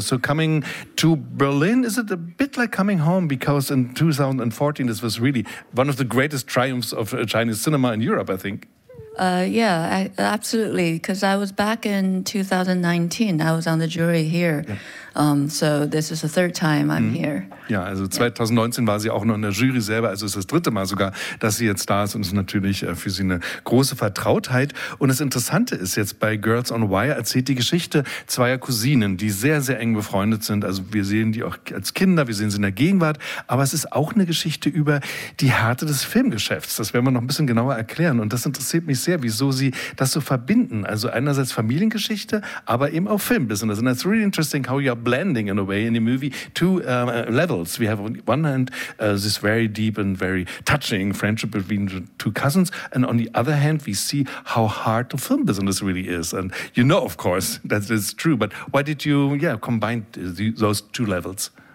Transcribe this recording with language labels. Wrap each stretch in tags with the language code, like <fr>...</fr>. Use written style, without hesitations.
<en>So coming to Berlin, is it a bit like coming home? Because in 2014, this was really one of the greatest triumphs of Chinese cinema in Europe, I think. Absolutely, because I was back in 2019. I was on the jury here. Yeah. So this is the third time I'm here.</en> <de>Ja, also 2019 war sie auch noch in der Jury selber. Also es ist das dritte Mal sogar, dass sie jetzt da ist. Und es ist natürlich für sie eine große Vertrautheit. Und das Interessante ist jetzt, bei Girls on Wire erzählt die Geschichte zweier Cousinen, die sehr, sehr eng befreundet sind. Also wir sehen die auch als Kinder, wir sehen sie in der Gegenwart. Aber es ist auch eine Geschichte über die Härte des Filmgeschäfts. Das werden wir noch ein bisschen genauer erklären. Und das interessiert mich sehr, wieso sie das so verbinden. Also einerseits Familiengeschichte, aber eben auch Filmbusiness.</de> <en>And it's really interesting how you're blending in a way in the movie two levels. We have on one hand this very deep and very touching friendship between the two cousins, and on the other hand we see how hard the film business really is. And you know, of course, that it's true, but why did you combine those two levels?</en>